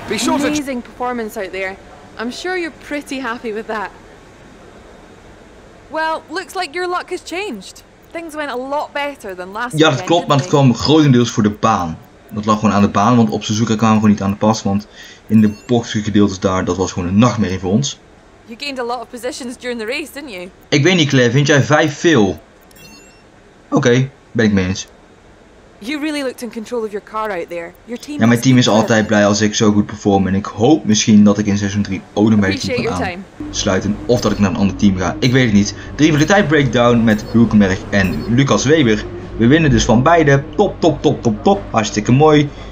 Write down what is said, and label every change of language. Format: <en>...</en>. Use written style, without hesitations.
<en>Amazing performance out there. I'm sure you're pretty happy with that. Well, looks like your luck has changed. Things went a lot better than last</en> <nl>year. Ja, dat klopt, maar het kwam grotendeels voor de baan. Dat lag gewoon aan de baan, want op Suzuka kwamen we gewoon niet aan de pas, want in de bochtige gedeeltes daar, dat was gewoon een nachtmerrie voor ons.</nl> <en>You gained a lot of positions during the race, didn't you?</en> <nl>Ik weet niet, Claire, vind jij 5 veel? Oké, ben ik mee eens.</nl> <en>You really looked in control of your car out there. Your team</en> <nl>ja, mijn team is altijd blij als ik zo goed perform. En ik hoop misschien dat ik in seizoen 3 ook nog bij het team kan aansluiten. Of dat ik naar een ander team ga. Ik weet het niet. De rivaliteit breakdown met Hülkenberg en Lucas Weber. We winnen dus van beide. Top, top, top, top, top. Hartstikke mooi.</nl>